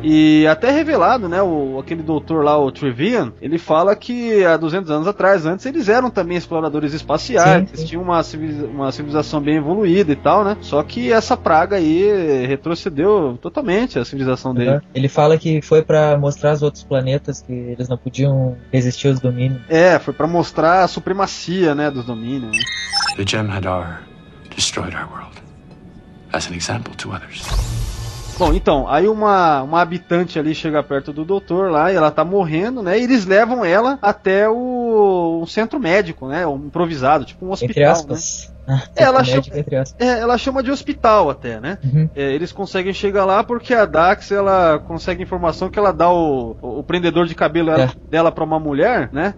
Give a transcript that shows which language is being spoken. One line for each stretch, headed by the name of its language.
Portuguese: E até revelado, né, aquele doutor lá, o Trevian, ele fala que há 200 anos atrás, antes, eles eram também exploradores espaciais. Sim, sim. Uma civilização bem evoluída e tal, né? Só que essa praga aí retrocedeu totalmente a civilização dele. Ele fala que foi pra mostrar os outros planetas que eles não podiam resistir aos domínios. É, foi pra mostrar a supremacia, né, dos domínios.
English: The Gem Hadar destroyed our world as an example to others.
Portuguese: Bom, então, aí uma habitante ali chega perto do doutor lá e ela tá morrendo, né? E eles levam ela até o centro médico, né? Um improvisado, tipo um hospital, entre aspas, né? Ela chama de hospital até, né? Uhum. Eles conseguem chegar lá porque a Dax, ela consegue informação que ela dá o prendedor de cabelo dela pra uma mulher, né?